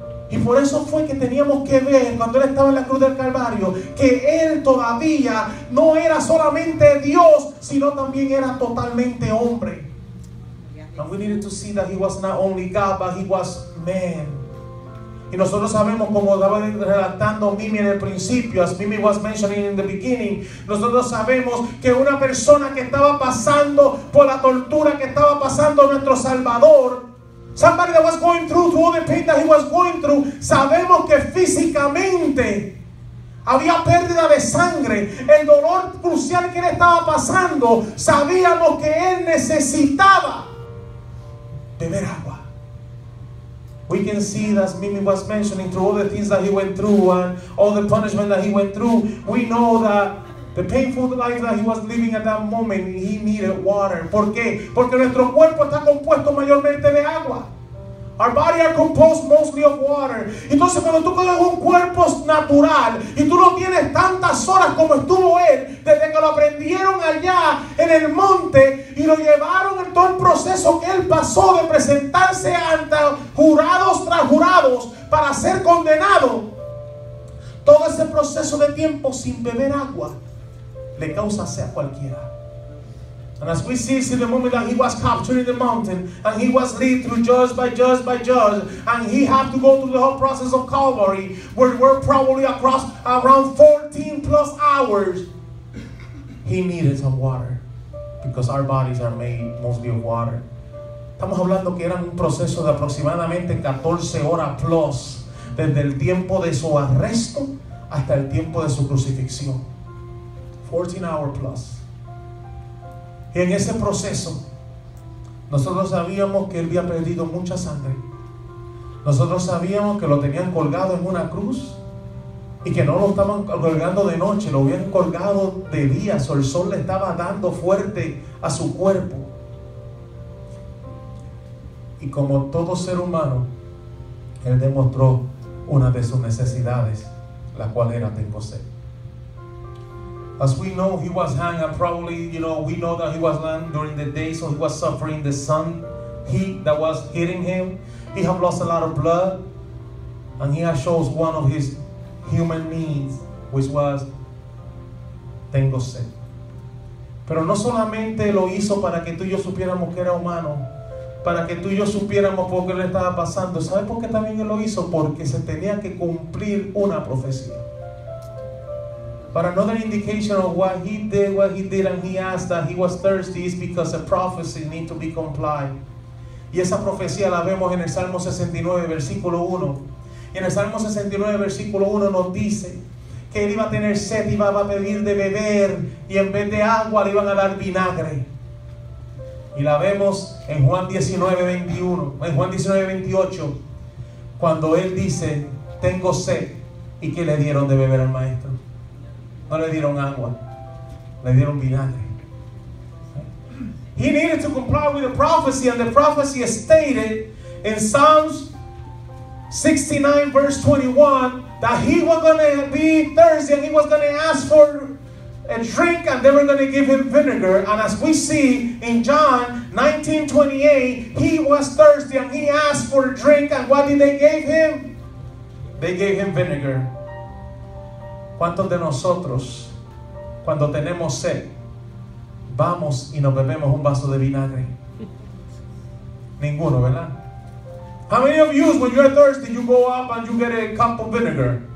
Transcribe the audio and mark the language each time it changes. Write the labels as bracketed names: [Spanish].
[Spanish] Y por eso fue que teníamos que ver cuando él estaba en la cruz del Calvario que él todavía no era solamente Dios, sino también era totalmente hombre. [English] And we needed to see that he was not only God, but he was man. [Spanish] Y nosotros sabemos, como estaba relatando Mimi en el principio, [English] as Mimi was mentioning in the beginning, [Spanish] nosotros sabemos que una persona que estaba pasando por la tortura que estaba pasando nuestro Salvador, [English] somebody that was going through all the pain that he was going through, [Spanish] sabemos que físicamente había pérdida de sangre, el dolor crucial que él estaba pasando, sabíamos que él necesitaba beber agua. [English] We can see that Mimi was mentioning through all the things that he went through and all the punishment that he went through, we know that the painful life that he was living at that moment, he needed water. [Spanish] ¿Por qué? Porque nuestro cuerpo está compuesto mayormente de agua. [English] Our body are composed mostly of water. [Spanish] Entonces cuando tú coges un cuerpo natural y tú no tienes tantas horas como estuvo él, desde que lo aprendieron allá en el monte y lo llevaron en todo el proceso que él pasó de presentarse ante jurados tras jurados para ser condenado, todo ese proceso de tiempo sin beber agua le causa sed a cualquiera. [English] And as we see, in the moment that he was captured in the mountain, and he was led through judge by judge, and he had to go through the whole process of Calvary, where we're probably across around 14 plus hours, he needed some water, because our bodies are made mostly of water. [Spanish] Estamos hablando que era un proceso de aproximadamente 14 horas plus, desde el tiempo de su arresto hasta el tiempo de su crucifixión. [English] 14 hours plus. [Spanish] Y en ese proceso, nosotros sabíamos que él había perdido mucha sangre. Nosotros sabíamos que lo tenían colgado en una cruz y que no lo estaban colgando de noche, lo habían colgado de día. El sol le estaba dando fuerte a su cuerpo. Y como todo ser humano, él demostró una de sus necesidades, la cual era tengo sed. [English] As we know, he was hung, and probably, you know, we know that he was hung during the day, so he was suffering the sun heat that was hitting him. He had lost a lot of blood, and he had shows one of his human needs, which was, [Spanish] tengo sed. Pero no solamente lo hizo para que tú y yo supiéramos que era humano, para que tú y yo supiéramos por qué le estaba pasando. ¿Sabes por qué también él lo hizo? Porque se tenía que cumplir una profecía. [English] But another indication of what he did and he asked that he was thirsty is because a prophecy needs to be complied. [Spanish] Y esa profecía la vemos en el Salmo 69, versículo 1. Y en el Salmo 69, versículo 1 nos dice que él iba a tener sed, iba a pedir de beber, y en vez de agua le iban a dar vinagre. Y la vemos en Juan 19, 21, en Juan 19, 28. cuando él dice, tengo sed, ¿y qué le dieron de beber al maestro? No le dieron agua, le dieron vinagre. [English] He needed to comply with the prophecy, and the prophecy stated in Psalms 69 verse 21 that he was going to be thirsty and he was going to ask for a drink and they were going to give him vinegar. And as we see in John 19:28, he was thirsty and he asked for a drink, and what did they give him? They gave him vinegar. [Spanish] ¿Cuántos de nosotros cuando tenemos sed vamos y nos bebemos un vaso de vinagre? Ninguno, ¿verdad? [English] How many of you, when you're thirsty, you go up and you get a cup of vinegar?